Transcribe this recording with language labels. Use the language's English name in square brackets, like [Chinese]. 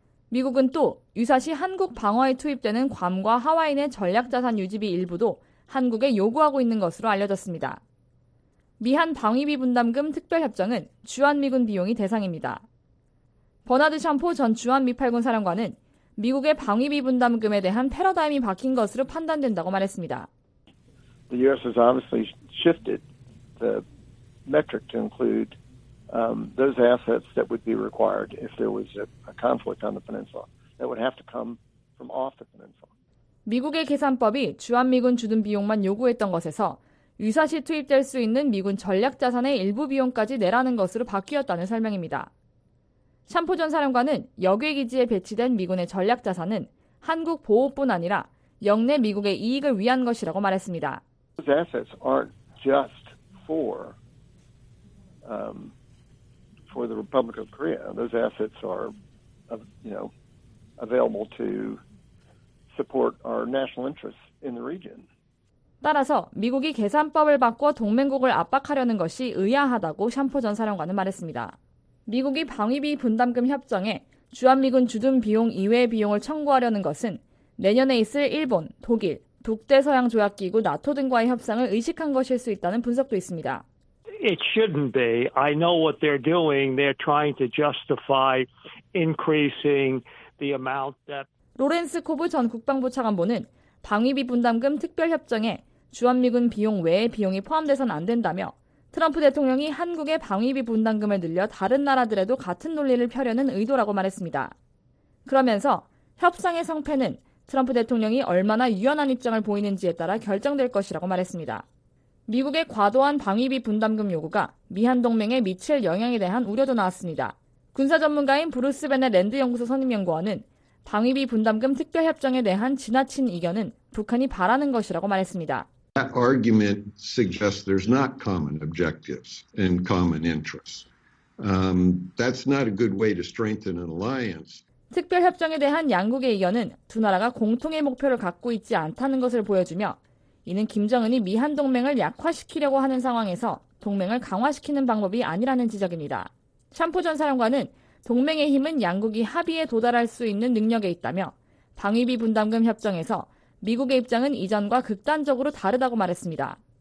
[Korean] 미국은 또 유사시 한국 방어에 투입되는 괌과 하와이의 전략자산 유지비 일부도 한국에 요구하고 있는 것으로 알려졌습니다. 미한 방위비 분담금 특별협정은 주한미군 비용이 대상입니다. 버나드 샴포 전 주한미팔군 사령관은 미국의 방위비 분담금에 대한 패러다임이 바뀐 것으로 판단된다고 말했습니다. [English] The U.S. has obviously shifted the metric to include those assets that would be required if there was a conflict on the peninsula that would have to come from off the peninsula. [Korean] 미국의 계산법이 주한미군 주둔 비용만 요구했던 것에서 유사시 투입될 수 있는 미군 전략 자산의 일부 비용까지 내라는 것으로 바뀌었다는 설명입니다. 샴포전 사령관은 여객기지에 배치된 미군의 전략 자산은 한국 보호뿐 아니라 역내 미국의 이익을 위한 것이라고 말했습니다. [English] These assets aren't just for the Republic of Korea. Those assets are, you know, available to support our national interests in the region. [Korean] 따라서 미국이 계산법을 바꿔 동맹국을 압박하려는 것이 의아하다고 샴포전 사령관은 말했습니다. 미국이 방위비 분담금 협정에 주한미군 주둔 비용 이외의 비용을 청구하려는 것은 내년에 있을 일본, 독일, 북대서양조약기구 나토 등과의 협상을 의식한 것일 수 있다는 분석도 있습니다. [English] It shouldn't be. I know what they're doing. They're trying to justify increasing the amount that [Korean] 로렌스 코브 전 국방부 차관보는 방위비 분담금 특별협정에 주한미군 비용 외의 비용이 포함돼서는 안 된다며 트럼프 대통령이 한국의 방위비 분담금을 늘려 다른 나라들에도 같은 논리를 펴려는 의도라고 말했습니다. 그러면서 협상의 성패는 트럼프 대통령이 얼마나 유연한 입장을 보이는지에 따라 결정될 것이라고 말했습니다. 미국의 과도한 방위비 분담금 요구가 미한 동맹에 미칠 영향에 대한 우려도 나왔습니다. 군사 전문가인 브루스 베넷 랜드 연구소 선임연구원은 방위비 분담금 특별협정에 대한 지나친 이견은 북한이 바라는 것이라고 말했습니다. [English] That argument suggests there's not common objectives and common interests. That's not a good way to strengthen an alliance. [Korean] 특별협정에 대한 양국의 의견은 두 나라가 공통의 목표를 갖고 있지 않다는 것을 보여주며 이는 김정은이 미한 동맹을 약화시키려고 하는 상황에서 동맹을 강화시키는 방법이 아니라는 지적입니다. 샴포 전 사령관은 동맹의 힘은 양국이 합의에 도달할 수 있는 능력에 있다며 방위비 분담금 협정에서 미국의 입장은 이전과 극단적으로 다르다고 말했습니다.